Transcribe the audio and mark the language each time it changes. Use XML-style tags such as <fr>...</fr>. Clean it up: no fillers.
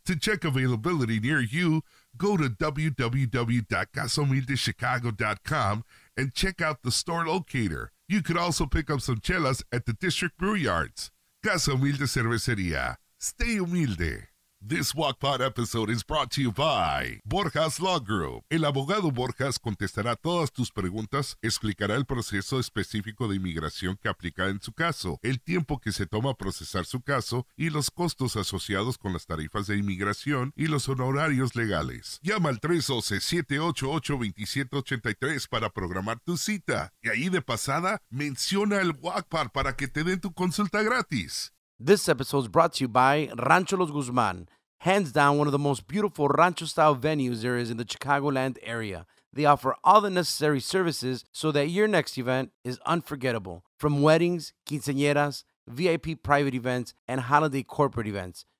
<en>To check availability near you, go to www.casahumildechicago.com and check out the store locator. You could also pick up some chelas at the District Brew Yards. Casa Humilde Cervecería. Stay humilde. This Walk Pod episode is brought to you by Borjas Law Group.</en> <es>El abogado Borjas contestará todas tus preguntas, explicará el proceso específico de inmigración que aplica en su caso, el tiempo que se toma procesar su caso y los costos asociados con las tarifas de inmigración y los honorarios legales. Llama al 312-788-2783 para programar tu cita. Y ahí de pasada, menciona el Walk Pod para que te den tu consulta gratis.</es> <en>This episode is brought to you by Rancho Los Guzman. Hands down, one of the most beautiful rancho-style venues there is in the Chicagoland area. They offer all the necessary services so that your next event is unforgettable. From weddings, quinceañeras, VIP private events, and holiday corporate events.</en>